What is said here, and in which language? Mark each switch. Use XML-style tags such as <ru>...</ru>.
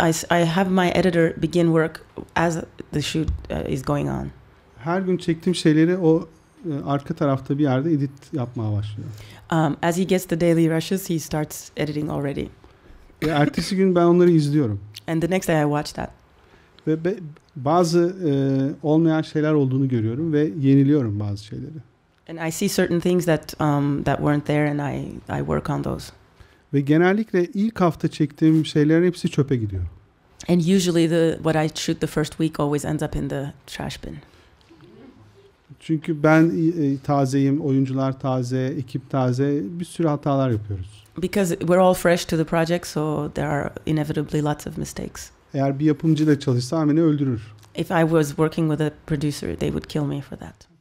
<en>I have my editor begin work as the shoot is going on.</en> <tr>Her gün çektiğim şeyleri o arka tarafta bir yerde edit yapmaya başlıyor.</tr> <en>As he gets the daily rushes, he starts editing already.</en> <tr>Ve ertesi gün ben onları izliyorum.</tr> <en>And the next day I watch that.</en> <tr>Ve bazı olmayan şeyler olduğunu görüyorum ve yeniliyorum bazı şeyleri.</tr> <en>And I see certain things that that weren't there and I work on those.</en> <tr>Ve genellikle ilk hafta çektiğim şeylerin hepsi çöpe gidiyor.</tr> <en>And usually the what I shoot the first week always ends up in the trash bin.</en> <tr>Çünkü ben tazeyim, oyuncular taze, ekip taze, bir sürü hatalar yapıyoruz.</tr> <en>Because we're all fresh to the project, so there are inevitably lots of mistakes.</en> <tr>Eğer bir yapımcıyla çalışsam beni öldürür.</tr> <en>If I was working with a producer, they would kill me for that.</en>